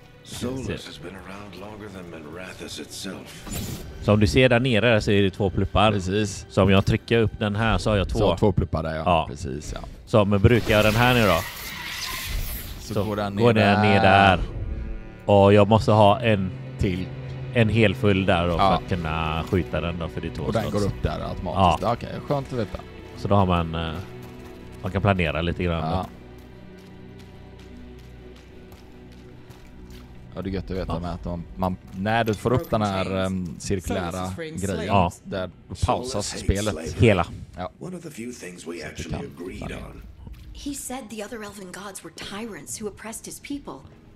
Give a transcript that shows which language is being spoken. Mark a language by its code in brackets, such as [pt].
[en] Solus has been around longer than Menrathus itself. [sv] Som du ser där nere så är det två pluppar. Precis. Så om jag trycker upp den här så har jag två. Så två pluppar där, ja. Ja. Precis, ja. Så men brukar jag den här nu då? Så går den går ner, ner där. Och jag måste ha en till. En hel full där då, ja. För att kunna skjuta den då för det två. Och den går upp där automatiskt. Ja. Okej, skönt att veta. Så då har man kan planera lite grann. Ja, ja, det är gött att veta, ja. Med att man, när du får upp den här cirkulära grejen, ja. Där pausas spelet. Hela. Ja. [en] One of the few things we actually agreed on. He said the other elven gods were tyrants who oppressed his people.